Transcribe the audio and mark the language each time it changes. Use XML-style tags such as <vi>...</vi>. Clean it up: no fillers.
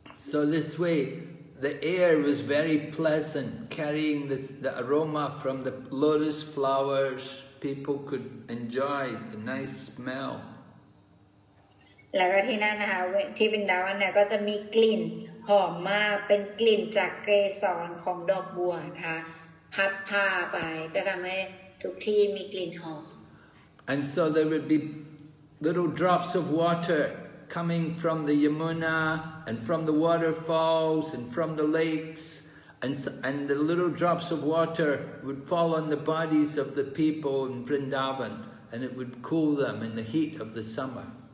<en>So this way, the air was very pleasant, carrying the aroma from the lotus flowers. People could enjoy the nice smell.</en> <th>แล้วก็ที่นั่นนะคะที่เป็นดาวันเนี่ยก็จะมีกลิ่นหอมมากเป็นกลิ่นจากเกสรของดอกบัวนะคะพัดพาไปก็ทำให้ทุกที่มีกลิ่นหอม</th> <en>And so there would be little drops of water. Coming from the Yamuna and from the waterfalls and from the lakes, and the little drops of water would fall on the bodies of the people in Vrindavan, and it would cool them in the heat of the summer.</en>